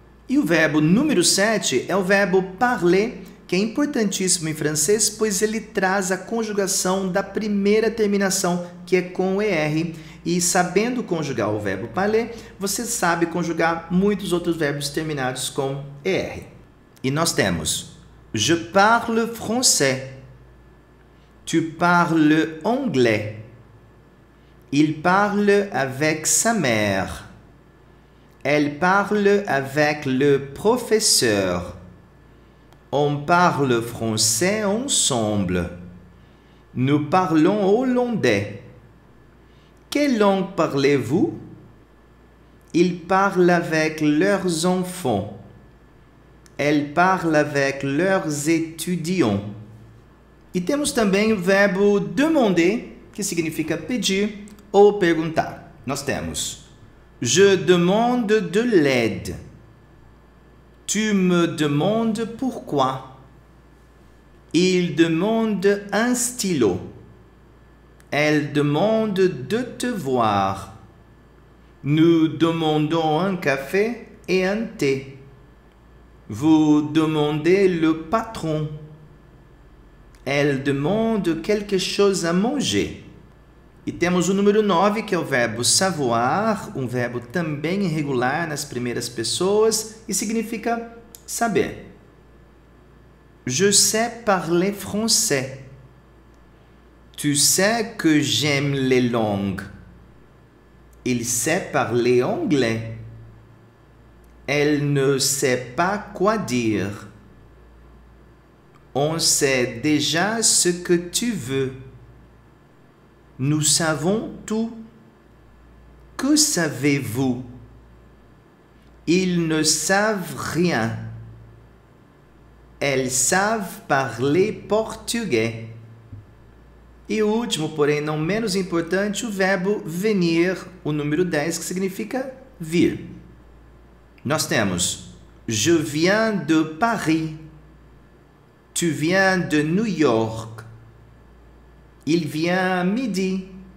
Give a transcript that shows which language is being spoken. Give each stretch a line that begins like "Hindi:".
Portuguese: E o verbo número 7 é o verbo parler, que é importantíssimo em francês, pois ele traz a conjugação da primeira terminação, que é com ER. E sabendo conjugar o verbo parler, você sabe conjugar muitos outros verbos terminados com ER. E nós temos:
French: Je parle français. Tu parles anglais. Il parle avec sa mère. Elle parle avec le professeur. On parle français ensemble. Nous parlons hollandais. Quelle langue parlez-vous? Ils parlent avec leurs enfants. Elles parlent avec leurs étudiants.
Portuguese: E temos também o verbo demander, que significa pedir ou perguntar. Nós temos:
French: Je demande de l'aide. Tu me demandes pourquoi? Il demande un stylo. Elle demande de te voir. Nous demandons un café et un thé. Vous demandez le patron. Elle demande quelque chose à manger.
Portuguese: E temos o número 9, que é o verbo savoir, um verbo também irregular nas primeiras pessoas, e significa saber.
French: Je sais parler français. Tu sais que j'aime les langues. Il sait parler anglais. Elle ne sait pas quoi dire. On sait déjà ce que tu veux. Nous savons tout. Que savez-vous? Ils ne savent rien. Elles savent parler portugais.
Portuguese: E o último, porém não menos importante, o verbo venir, o número 10, que significa vir. Nós temos:
French: Je viens de Paris. Tu viens de New York. Il vient à midi.